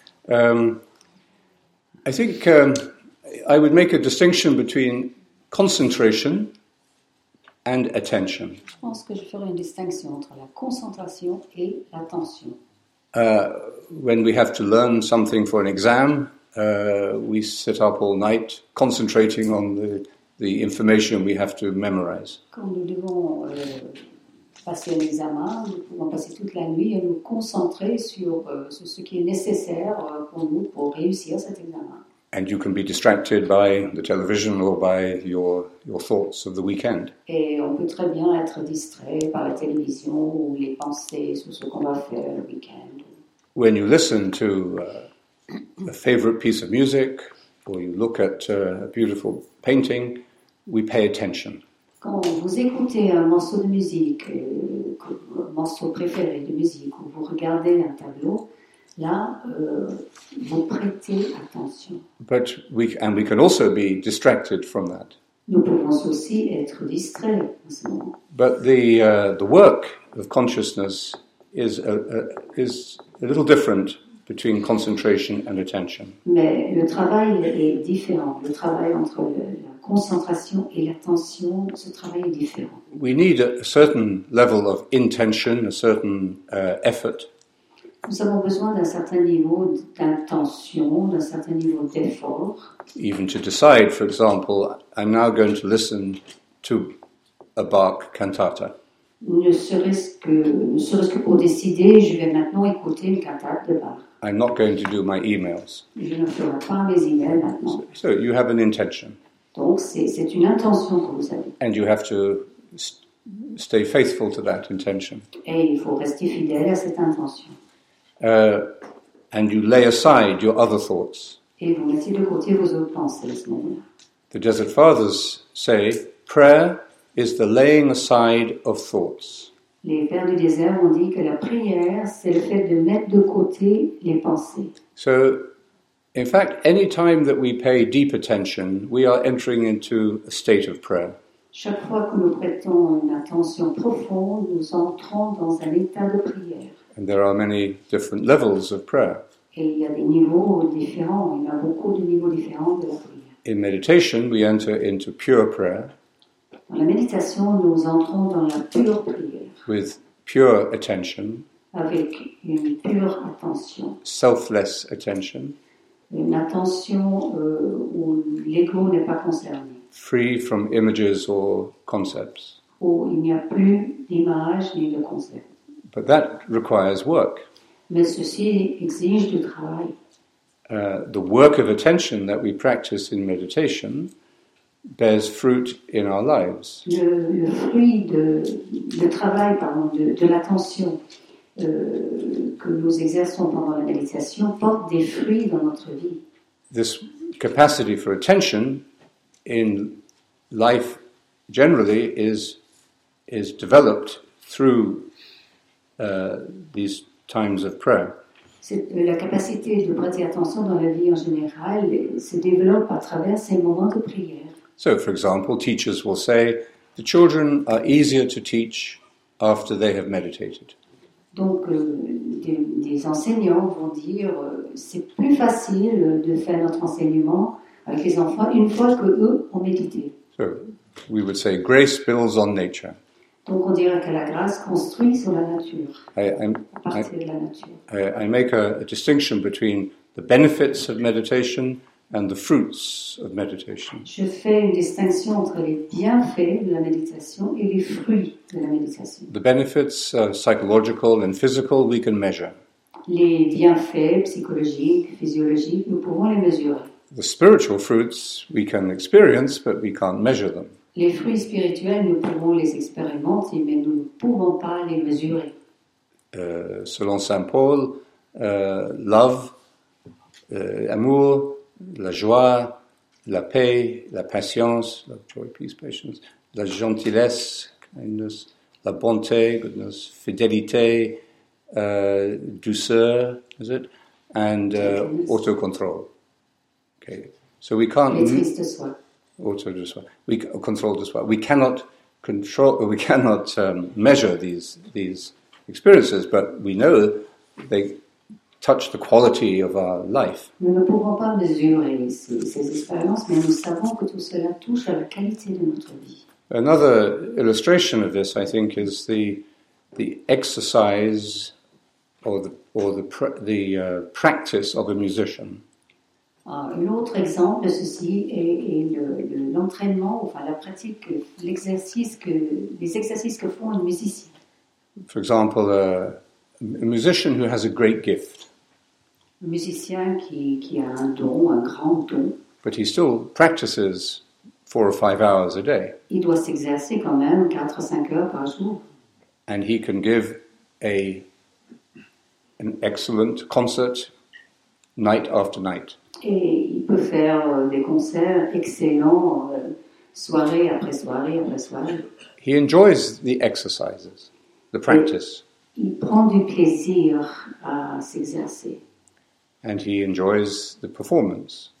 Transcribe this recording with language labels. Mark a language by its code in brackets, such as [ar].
[en] I would make a distinction between concentration and attention. [fr] Je pense que je ferai une distinction entre la concentration et l'attention. [en] When we have to learn something for an exam, we sit up all night concentrating on the information we have to memorize. [fr] Quand nous devons passer un examen, nous pouvons passer toute la nuit et nous concentrer sur ce qui est nécessaire pour nous pour réussir cet examen. [en] And you can be distracted by the television or by your thoughts of the weekend. [fr] Et on peut très bien être distrait par la télévision ou les pensées sur ce qu'on va faire le weekend. [en] When you listen to a favorite piece of music or you look at a beautiful painting, we pay attention. [fr] Quand vous écoutez un morceau de musique, un morceau préféré de musique, ou vous regardez un tableau, là, vous prêtez attention. [en] And we can also be distracted from that. [fr] Nous pouvons aussi être distraits en ce moment. [en] But the work of consciousness is a little different between concentration and attention. [fr] Mais le travail est différent. Le travail entre la concentration et l'attention, ce travail est différent. [en] We need a certain level of intention, a certain effort. [fr] Nous avons besoin d'un certain niveau d'intention, d'un certain niveau d'effort. [en] Even to decide, for example, I'm now going to listen to a Bach cantata. [fr] Ne serait-ce que pour décider, je vais maintenant écouter une cantate de Bach. [en] I'm not going to do my emails. [fr] Je ne ferai pas mes emails maintenant. [en] So you have an intention. [fr] Donc c'est une intention que vous avez. [en] And you have to stay faithful to that intention. [fr] Et il faut rester fidèle à cette intention. [en] And you lay aside your other thoughts. [fr] Et vous mettez de côté vos autres pensées, ce moment-là. [en] The Desert Fathers say, prayer is the laying aside of thoughts. [fr] Les pères du désert ont dit que la prière, c'est le fait de mettre de côté les pensées. [en] So, in fact, any time that we pay deep attention, we are entering into a state of prayer. [fr] Chaque fois que nous prêtons une attention profonde, nous entrons dans un état de prière. [en] And there are many different levels of prayer. [fr] Et il y a des niveaux différents, il y a beaucoup de niveaux différents de la prière. [en] In meditation, we enter into pure prayer. [fr] Dans la méditation, nous entrons dans la pure prière. [en] With pure attention. [fr] Avec une pure attention. [en] Selfless attention. [fr] Une attention où l'ego n'est pas concerné. [en] Free from images or concepts. [fr] Où il n'y a plus d'images ni de concepts. [en] But that requires work. [fr] Mais ceci exige du travail. [en] The work of attention that we practice in meditation bears fruit in our lives. [fr] Le fruit de travail, pardon, de l'attention que nous exerçons pendant la méditation porte des fruits dans notre vie. [en] This capacity for attention in life generally is developed through these times of prayer. [fr] La capacité de prêter attention dans la vie en général se développe à travers ces moments de prière. [en] So, for example, teachers will say the children are easier to teach after they have meditated. [fr] Donc, des enseignants vont dire c'est plus facile de faire notre enseignement avec les enfants une fois que eux ont médité. [en] So, we would say grace builds on nature. [fr] Donc on dirait que la grâce construit sur la nature, à partir de la nature. [en] I make a distinction between the benefits of meditation and the fruits of meditation. [fr] Je fais une distinction entre les bienfaits de la méditation et les fruits de la méditation. [en] The benefits are psychological and physical, we can measure. [fr] Les bienfaits psychologiques, physiologiques, nous pouvons les mesurer. [en] The spiritual fruits, we can experience, but we can't measure them. [fr] Les fruits spirituels, nous pouvons les expérimenter, mais nous ne pouvons pas les mesurer. Selon Saint Paul, [en] love, [fr] amour, la joie, la paix, la patience, [en] love, joy, peace, patience, [fr] la gentillesse, [en] kindness, [fr] la bonté, [en] goodness, [fr] fidélité, douceur, [en] is it? And autocontrol. Okay, so we can't. We cannot measure these experiences, but we know they touch the quality of our life. [fr] Nous ne pouvons pas mesurer ces expériences, mais nous savons que tout cela touche à la qualité de notre vie. [en] Another illustration of this, I think, is the exercise or the practice of a musician. [fr] Un autre exemple, ceci est l'entraînement, enfin la pratique, les exercices que font un musicien. [en] For example, a musician who has a great gift. [fr] Un musicien qui a un don, un grand don. [en] But he still practices 4 or 5 hours a day. [fr] Il doit s'exercer quand même 4 ou 5 heures par jour. [en] And he can give an excellent concert night after night. [fr] Et il peut faire des concerts excellents soirée après soirée après soirée. [en] He enjoys the exercises, the practice. [fr] Il prend du plaisir à s'exercer. [en] And he enjoys the performance.